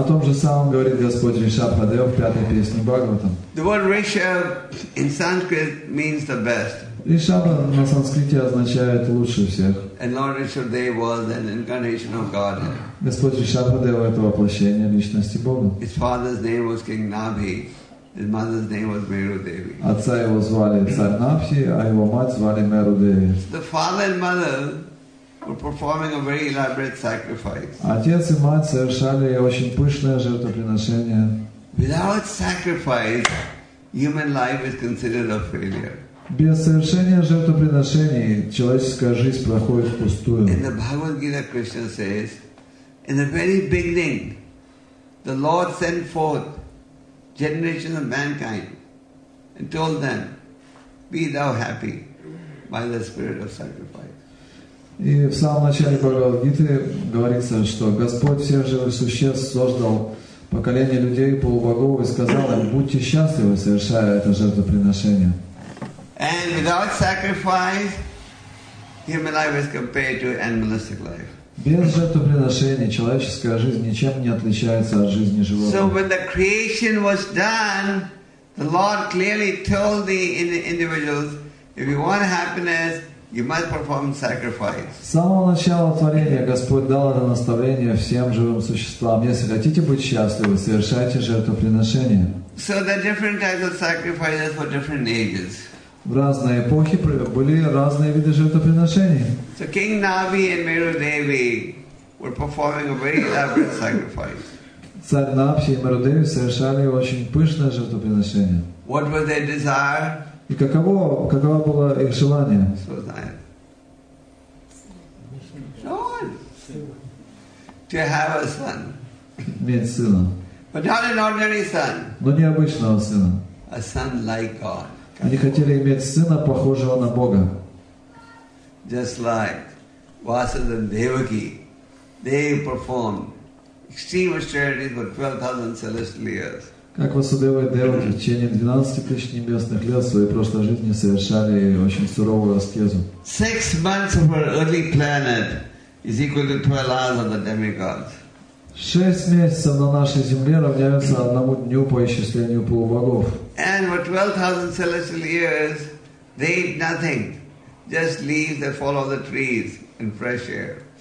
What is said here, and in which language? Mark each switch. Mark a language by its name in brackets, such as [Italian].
[Russian] О том же самом говорит Господь Ришабхадев в пятой песне Бхагаватам. [English] The word Rishab in Sanskrit means the best. [Russian] Ришабха на санскрите означает лучше всех. [English] And Lord Rishabhadev was an incarnation of Godhead. [Russian] Господь Ришабхадева – это воплощение личности Бога. [English] His father's name was King Nabhi. His mother's name was Meru Devi. [Russian] Отца его звали царь Набхи, а его мать звали Меру Деви. [English] The father and mother were performing a very elaborate sacrifice. [Russian] Отец и мать совершали очень пышное жертвоприношение. [English] Without sacrifice, human life is considered a failure. [Russian] Без совершения жертвоприношений человеческая жизнь проходит впустую. [English] In the Bhagavad Gita, Krishna says, in the very beginning, the Lord sent forth generations of mankind and told them, "Be thou happy by the spirit of sacrifice." [Russian] И в самом начале Бхагавад Гиты говорится, что Господь всех живых существ создал поколение людей полубогов и сказал им: "Будьте счастливы, совершая это жертвоприношение." [English] And without sacrifice, human life is compared to animalistic life. [Russian] Без жертвоприношений человеческая жизнь ничем не отличается от жизни животных. [English] So when the creation was done, the Lord clearly told the individuals, if you want happiness, you must perform sacrifice. [Russian] С самого начала творения Господь дал это наставление всем живым существам. Если хотите быть счастливы, совершайте жертвоприношения. [English] So there are different types of sacrifices for different ages. [Russian] В разные эпохи были разные виды жертвоприношений. [English] So King Navi and Meru Devi were performing a very elaborate sacrifice. [Russian] Царь Навши и Меру Деви совершали очень пышное жертвоприношение. [English] What were their desire? [Russian] И каково было их желание? [English] So nice. Son. To have a son. [Russian] Иметь сына. [English] But not an ordinary son. [Russian] Но необычного сына. [English] A son like God. [Russian] Они хотели иметь сына, похожего на Бога. [English] Just like Vasudeva and Devaki, they performed extreme austerities for 12,000 celestial years. [Russian] Как Васудева и Деваки в течение 12 тысяч небесных лет в своей прошлой жизни совершали очень суровую аскезу. [English] 6 months of our early planet is equal to 12 hours of the demigods. [Russian] 6 месяцев на нашей Земле равняются одному дню по исчислению полубогов. [English] And for 12,000 celestial years, they eat nothing, just leaves that fall off the trees and fresh air.